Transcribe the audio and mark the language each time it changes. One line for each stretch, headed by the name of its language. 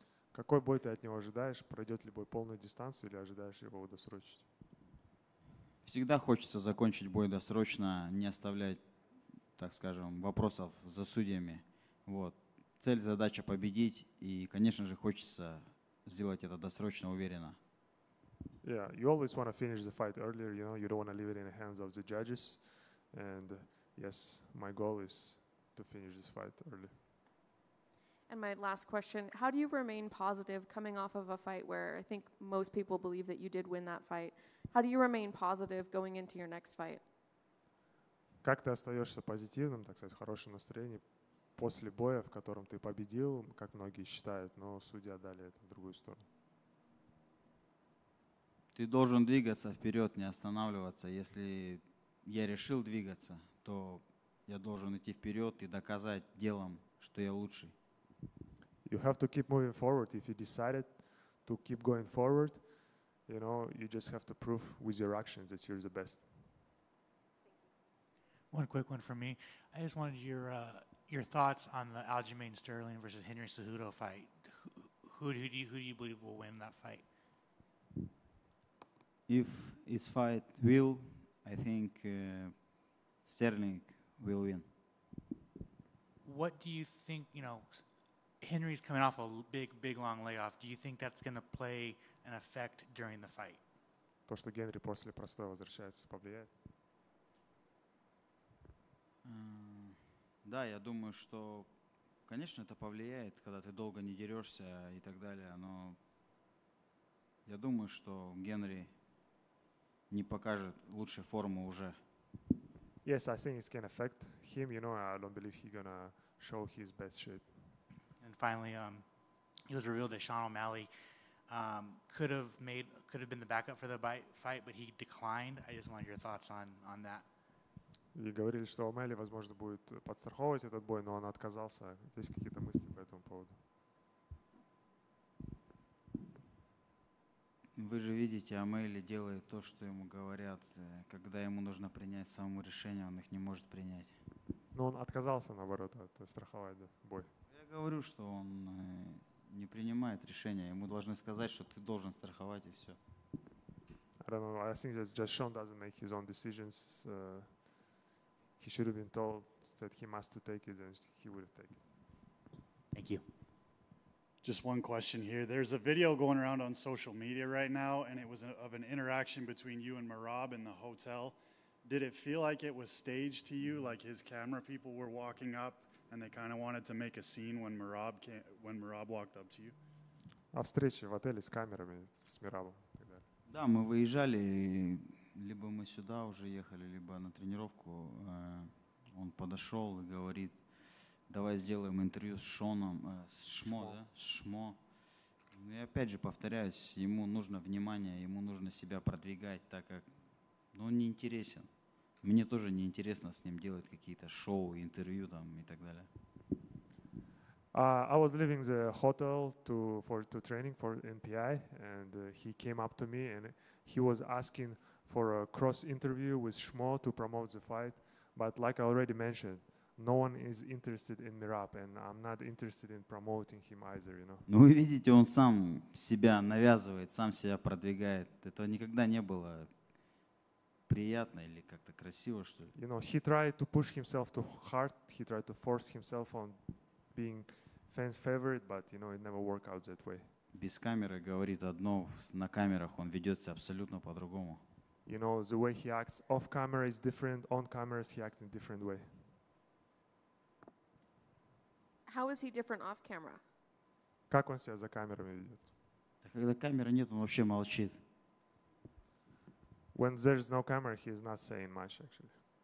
Russian: Какой бой ты от него ожидаешь? Пройдет ли бой полную дистанцию или ожидаешь его досрочить? Всегда хочется закончить бой досрочно, не оставлять, так скажем, вопросов за судьями. Вот. Цель, задача победить, и, конечно же, хочется сделать это досрочно, уверенно.
English: Yeah, you always want to finish the fight earlier, you know, you don't want to leave it in the hands of the judges. And yes, my goal is to finish this fight early. And my last question, how do you remain positive coming off of a fight where I think most people believe that you did win that fight? How do you remain positive going into your next fight?
Russian: Как ты остаешься позитивным, так сказать, в хорошем настроении после боя, в котором ты победил, как многие считают, но судья дали это в другую сторону? Ты должен двигаться вперед, не останавливаться. Если я решил двигаться, то я должен идти вперед и доказать делом, что я лучший.
English: You have to keep moving forward. If you decided to keep going forward, you know, you just have to prove with your actions that you're the best. One quick one from me. I just wanted your thoughts on the Aljamain Sterling versus Henry Cejudo fight. Who do you believe will win that fight? If his fight will, I think Sterling will win. What do you think, you know, Henry's coming off a big long layoff. Do you think that's going to play an effect during the fight?
Russian: То, что Генри после простоя возвращается, повлияет? Да, я думаю, что, конечно, это повлияет, когда ты долго не дерешься и так далее, но я думаю, что Генри не покажет лучшей формы уже.
English: Yes, I think it can affect him, you know, I don't believe he's going to show his best shape. And finally, it was revealed that Sean O'Malley could have been the backup for the fight, but he declined. I just wanted your thoughts on that.
Russian: И говорили, что О'Малли, возможно, будет подстраховывать этот бой, но он отказался. Есть какие-то мысли по этому поводу? Вы же видите, О'Малли делает то, что ему говорят. Когда ему нужно принять самому решение, он их не может принять. Но он отказался, наоборот, от страховать, да, бой. Я говорю, что он не принимает решения. Ему должны сказать, что ты должен страховать, и все.
English: I don't know. I think that just Sean doesn't make his own decisions. He should have been told that he must to take it, and he would have taken it. Thank you. Just one question here. There's a video going around on social media right now, and it was of an interaction between you and Merab in the hotel. Did it feel like it was staged to you, like his camera people were walking up, and they kind of wanted to make a scene when Merab walked up to you?
Russian: О встрече в отеле с камерами, с Мирабом. Да, мы выезжали, либо мы сюда уже ехали, либо на тренировку. Он подошел и говорит, давай сделаем интервью с Шоном, с Шмо, да? Шмо. И опять же повторяюсь, ему нужно внимание, ему нужно себя продвигать, так как он не интересен. Мне тоже не интересно с ним делать какие-то шоу, интервью там и так далее.
English: I was leaving the hotel to training for NPI, and he came up to me and he was asking for a cross interview with Shmo to promote the fight. But like I already mentioned, no one is interested in Merab, and I'm not interested in promoting him either, you know.
Russian: Ну, вы видите, он сам себя навязывает, сам себя продвигает. Это никогда не было приятно или как-то красиво, что ли.
English: You know, he tried to push himself too hard. He tried to force himself on being fans' favorite, but you know, it never worked out that way.
Russian: Без камеры говорит одно, на камерах он ведется абсолютно по-другому.
English: You know, the way he acts off camera is different. On cameras, he acts in a different way. How is he different off camera?
Russian: Как он себя за камерами ведет? Да когда камеры нет, он вообще молчит.
English: When there's no camera, he is not saying much, actually.